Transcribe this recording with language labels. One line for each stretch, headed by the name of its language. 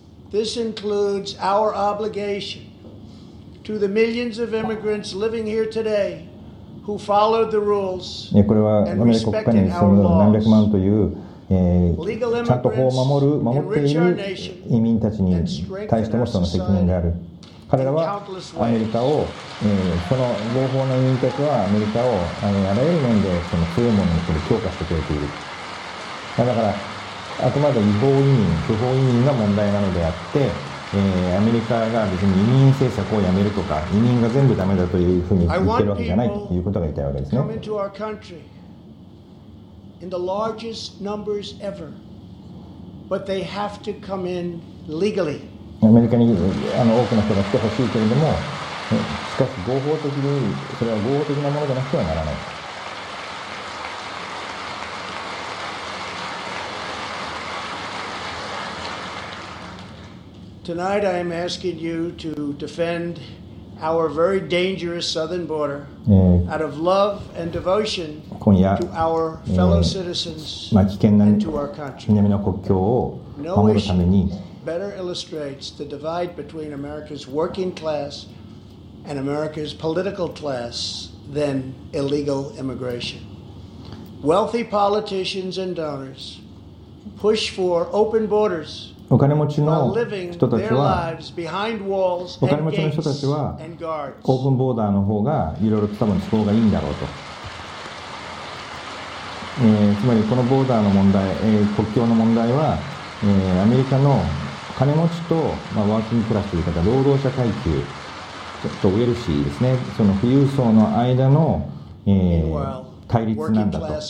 English: This includes our obligation to the millions of immigrants living here today who followed the rules and respected our laws. Legal immigrants enrich our nation and strengthen our society.
Japanese: 彼らはアメリカを、その合法な移民たちはアメリカを あらゆる面でその強いものにする強化してくれている。だからあくまで違法移民、不法移民が問題なのであって、アメリカが別に移民政策をやめるとか、移民が全部ダメだというふうに言ってるわけじゃないということが言いたいわけですね。
English: Come into our country in the largest numbers ever, but they have to come in legally.
Japanese: アメリカに多くの人が来てほしいけれども、しかし合法的に、それは合法的なものでなくてはならない。
English: Tonight I am asking you to defend our very dangerous southern border out of love and devotion to our fellow citizens and to our country.
Japanese: 南の国境を守るために。
English: Better illustrates the divide between America's working class and America's political class than illegal immigration. Wealthy politicians and donors push for open borders.
Japanese: お金持ちの人たちは、お金持ちの人たちはオープンボーダーの方がいろいろと多分都合がいいんだろうと、つまりこのボーダーの問題、国境の問題は、アメリカの金持ちと、まあ、ワーキングクラスという方、労働者階級とウェルシーですね、その富裕層の間の、対立なんだと。